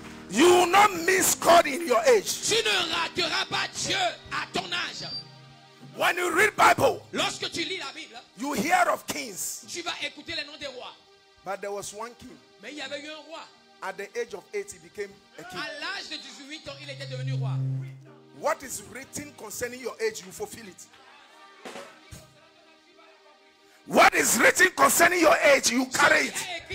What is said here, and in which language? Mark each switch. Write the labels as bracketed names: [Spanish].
[English] You will not miss God in your age. [French] Tu ne rateras pas Dieu à ton âge. [English] When you read Bible, [French] lorsque tu lis la Bible, [English] you hear of kings. [French] Tu vas écouter les noms des rois. [English] But there was one king. [French] Mais il y avait eu un roi. [English] At the age of 80, he became a king. [French] À l'âge de 18 ans, il était devenu roi. [English] What is written concerning your age, you fulfill it. What is written concerning your age, you carry it.